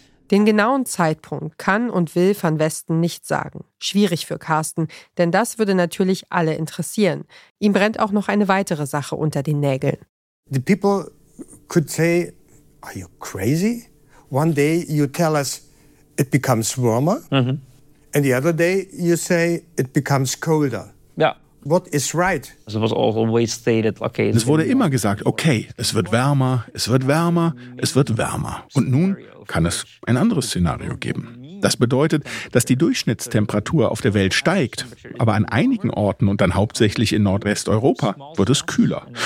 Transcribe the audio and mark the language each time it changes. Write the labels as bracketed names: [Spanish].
[German] Den genauen Zeitpunkt kann und will Van Westen nicht sagen. Schwierig für Carsten, denn das würde natürlich alle interessieren. Ihm brennt auch noch eine weitere Sache unter den Nägeln. [English] The people could say, are you crazy? One day you tell us it becomes warmer, and the other day you say it becomes colder. Yeah. What is right? It was always stated, okay. [German] Es wurde immer gesagt, okay, es wird wärmer, es wird wärmer, es wird wärmer. Und nun kann es ein anderes Szenario geben. Das bedeutet, dass die Durchschnittstemperatur auf der Welt steigt. Aber an einigen Orten und dann hauptsächlich in Nordwesteuropa wird es kühler.